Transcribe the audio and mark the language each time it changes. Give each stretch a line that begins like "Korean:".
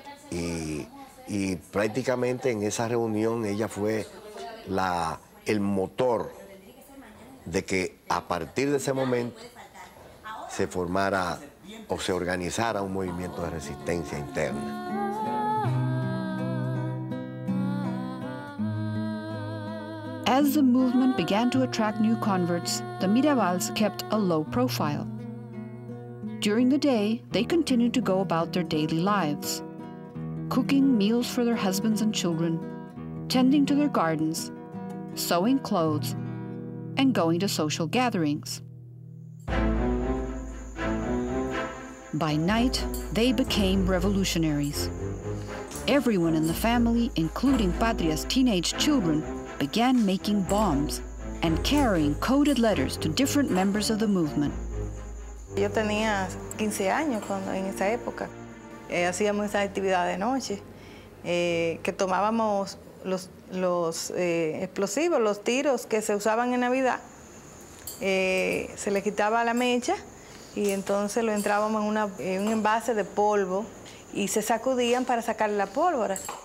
Spanish: Y prácticamente en esa reunión ella fue el motor de que a partir de ese momento se formara o se organizara un movimiento de resistencia interna.
English: As the movement began to attract new converts, the Mirabals kept a low profile. During the day, they continued to go about their daily lives, cooking meals for their husbands and children, tending to their gardens, sewing clothes, and going to social gatherings. By night, they became revolutionaries. Everyone in the family, including Patria's teenage children, began making bombs and carrying coded letters to different members of the movement.
Spanish: Yo tenía 15 años cuando en esa época hacíamos esa actividad de noche, que tomábamos los explosivos, los tiros que se usaban en Navidad, se le quitaba la mecha y entonces lo entrábamos en un envase de polvo y se sacudían para sacar la pólvora.